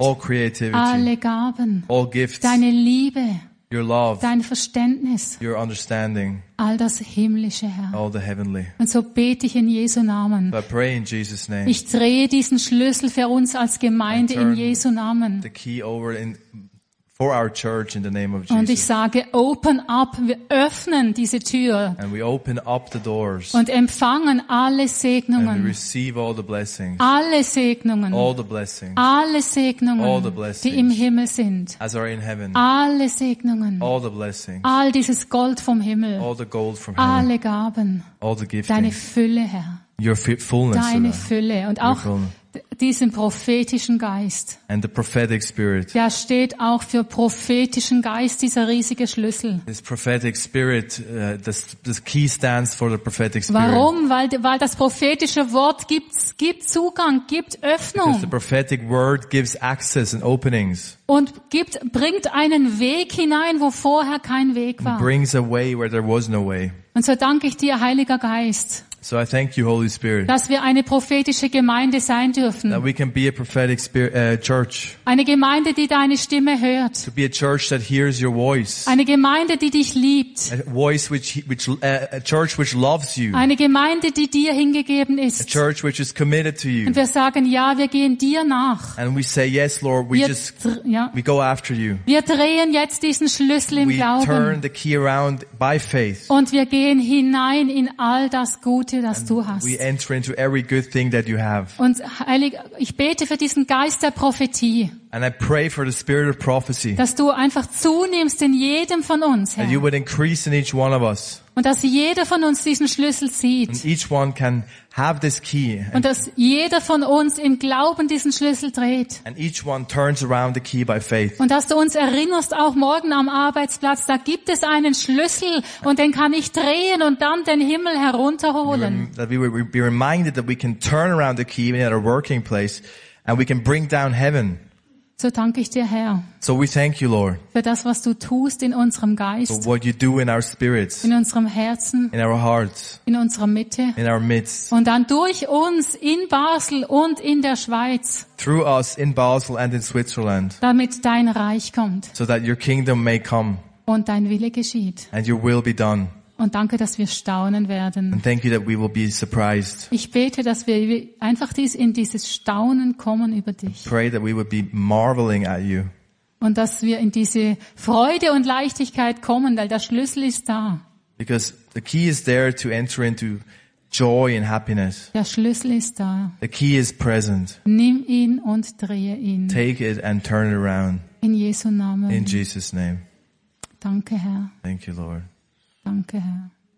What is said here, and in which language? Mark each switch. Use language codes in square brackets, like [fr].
[en] All creativity. [de] Alle Gaben. [en] All gifts. [de] Deine Liebe. [en] Your love, [de] dein Verständnis, [en] your understanding, [de] all das himmlische, Herr, [en] all the heavenly. [de] Und so bete ich in Jesu Namen. [en] But I pray in Jesus' name. [de] Ich drehe diesen Schlüssel für uns als Gemeinde in Jesu Namen. [en] The key over in for our church in the name of Jesus. [de] Und ich sage, [en] open up, [de] wir öffnen diese Tür. [en] And we open up the doors. [de] Und empfangen alle Segnungen. [en] And we receive all the blessings. [de] Alle Segnungen. [en] All the blessings. [de] Alle Segnungen. [en] All the blessings. [de] Die im Himmel sind. [en] As are in heaven. [de] Alle Segnungen. [en] All the blessings. [de] All dieses Gold vom Himmel. [en] All the gold from heaven. [de] Alle Gaben. [en] All the giftings. [de] Deine Fülle, Herr. [en] Your fullness. [de] Deine Fülle. Und auch diesen prophetischen Geist. [en] And the prophetic spirit. [de] Der steht auch für prophetischen Geist, dieser riesige Schlüssel. [en] This prophetic spirit, this key stands for the prophetic spirit. [de] Warum? Weil das prophetische Wort gibt Zugang, gibt Öffnung. [en] Because the prophetic word gives access and openings. [de] Und bringt einen Weg hinein, wo vorher kein Weg war. [en] And brings a way where there was no way. [de] Und so danke ich dir, Heiliger Geist. [en] So I thank you, Holy Spirit, [de] dass wir eine prophetische Gemeinde sein dürfen. [en] That we can be a prophetic church. [de] Eine Gemeinde, die deine Stimme hört. [en] To be a church that hears your voice. [de] Eine Gemeinde, die dich liebt. [en] A church which loves you. [de] Eine Gemeinde, die dir hingegeben ist. [en] A church which is committed to you. [de] Und wir sagen, ja, wir gehen dir nach. [en] And we say yes, Lord, we go after you. [de] Wir drehen jetzt diesen Schlüssel im Glauben. [en] We turn the key around by faith. [de] Und wir gehen hinein in all das Gute. [en] We enter into every good thing that you have. [de] Und heilig, ich bete für diesen Geist der Prophetie. [en] And I pray for the spirit of prophecy. [de] Dass du einfach zunimmst in jedem von uns, Herr. [en] That you would increase in each one of us. [de] Und dass jeder von uns diesen Schlüssel sieht. [en] And each one can have this key. [de] Und dass jeder von uns im Glauben diesen Schlüssel dreht. [en] And each one turns around the key by faith. [de] Und dass du uns erinnerst, auch morgen am Arbeitsplatz, da gibt es einen Schlüssel und den kann ich drehen und dann den Himmel herunterholen. [en] That we will be reminded that we can turn around the key even at our working place and we can bring down heaven. [de] So danke ich dir, Herr. [en] So we thank you, Lord. [de] Für das, was du tust in unserem Geist. [en] For what you do in our spirits. [de] In unserem Herzen. [en] In our hearts. [de] In unserer Mitte. [en] In our midst. [de] Und dann durch uns in Basel und in der Schweiz. [en] Through us in Basel and in Switzerland. [de] Damit dein Reich kommt. [en] So that your kingdom may come. [de] Und dein Wille geschieht. [en] And your will be done. [de] Und danke, dass wir staunen werden. [en] And thank you that we will be surprised. [de] Ich bete, dass wir einfach in dieses Staunen kommen über dich. [en] Pray that we would be marveling at you. [de] Und dass wir in diese Freude und Leichtigkeit kommen, weil der Schlüssel ist da. [en] Because the key is there to enter into joy and happiness. [de] Der Schlüssel ist da. [en] The key is present. [de] Nimm ihn und drehe ihn. [en] Take it and turn it around. [de] In Jesu Namen. [en] In Jesus' name. [de] Danke, Herr. [en] Thank you, Lord. [de] Danke, Herr.